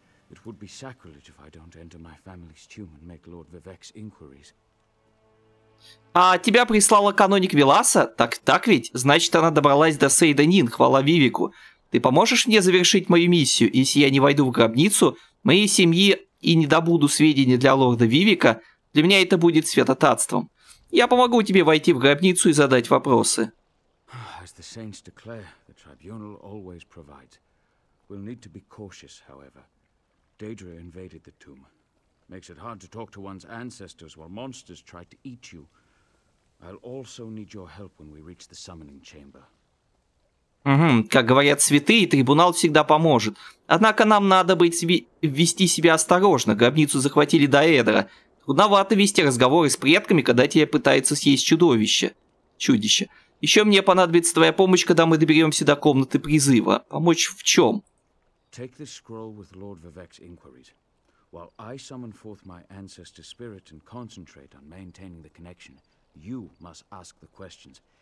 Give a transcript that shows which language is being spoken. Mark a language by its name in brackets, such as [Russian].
[English] It would be sacrilege if I don't enter my family's tomb and make Lord Vivek's inquiries. [Russian] А тебя прислала каноник Веласа? Так, так ведь? Значит, она добралась до Сейданин, хвала Вивику. Ты поможешь мне завершить мою миссию? Если я не войду в гробницу моей семьи и не добуду сведения для лорда Вивика, для меня это будет святотатством. Я помогу тебе войти в гробницу и задать вопросы. [English] As the saints declare, the tribunal always provides. We'll need to be cautious, however. Daedra invaded the tomb. Makes it hard to talk to one's ancestors while monsters try to eat you. I'll also need your help when we reach the summoning chamber. [Russian] Как говорят святые, трибунал всегда поможет. Однако нам надо вести себя осторожно. Гробницу захватили Даэдра. Трудновато вести разговоры с предками, когда тебя пытается съесть чудовище. Чудище. Еще мне понадобится твоя помощь, когда мы доберемся до комнаты призыва. Помочь в чем? [English] Take this scroll with Lord Vivek's inquiries. While I summon forth my ancestor spirit and concentrate on maintaining the connection, you must ask the questions.